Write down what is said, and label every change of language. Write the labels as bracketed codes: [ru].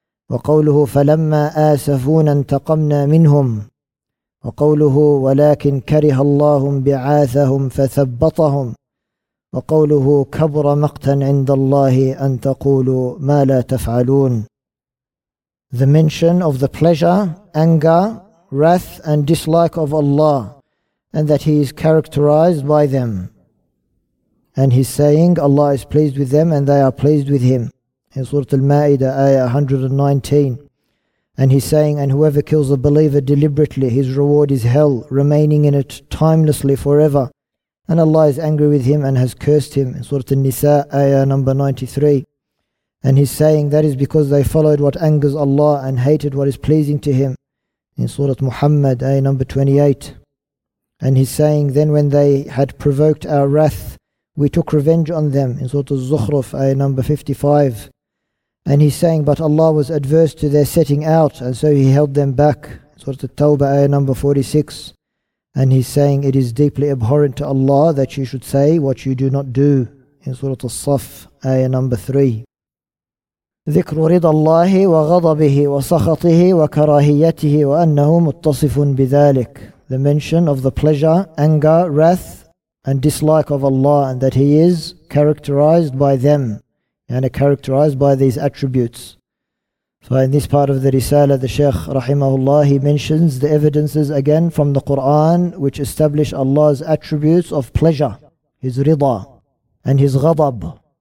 [ar] وقوله: فلما آسفونا انتقمنا منهم, وقوله: ولكن كره الله بعاثهم فثبطهم, وقوله: كبر مقتا عند الله أن تقولوا ما لا تفعلون. [en] The mention of the pleasure, anger, wrath and dislike of Allah, and that He is characterized by them. And He's saying Allah is pleased with them and they are pleased with Him. In Surah Al-Ma'idah, Ayah 119. And He's saying, and whoever kills a believer deliberately, his reward is hell, remaining in it timelessly forever. And Allah is angry with him and has cursed him. In Surah An-Nisa, Ayah number 93. And He's saying that is because they followed what angers Allah and hated what is pleasing to Him. In Surah Muhammad, Ayah number 28. And He's saying, then when they had provoked our wrath, we took revenge on them. In Surah Az-Zukhruf, Ayah number 55. And He's saying, but Allah was adverse to their setting out, and so He held them back. In Surah At-Tawbah, Ayah number 46. And He's saying, it is deeply abhorrent to Allah that you should say what you do not do. In Surah As-Saff, Ayah number 3. [ar] ذكر رضا الله وغضبه وسخطه وكراهيته وأنه متصف بذلك. [en] The mention of the pleasure, anger, wrath and dislike of Allah, and that He is characterized by them, and characterized by these attributes. So in this part of the Risala, the Shaykh rahimahullah, he mentions the evidences again from the Qur'an which establish Allah's attributes of pleasure, His rida, and His ghadab.